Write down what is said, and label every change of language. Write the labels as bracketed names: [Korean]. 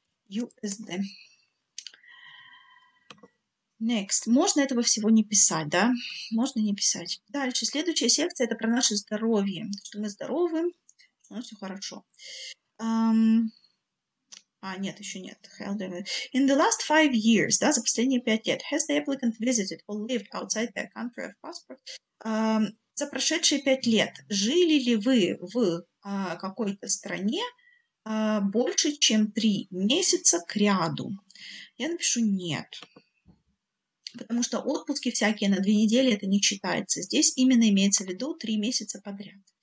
[English] USD. Next. [Russian] Можно этого всего не писать, да? Можно не писать. Дальше. Следующая секция – это про наше здоровье. Что мы здоровы, что у нас все хорошо. Нет, еще нет. [English] In the last 5 years, [Russian] да, за последние 5 лет, [English] has the applicant visited or lived outside their country of passport? [Russian] За прошедшие 5 лет жили ли вы в какой-то стране больше, чем 3 месяца к ряду? Я напишу «нет». Потому что отпуски всякие на 2 недели, это не считается. Здесь именно имеется в виду 3 месяца подряд.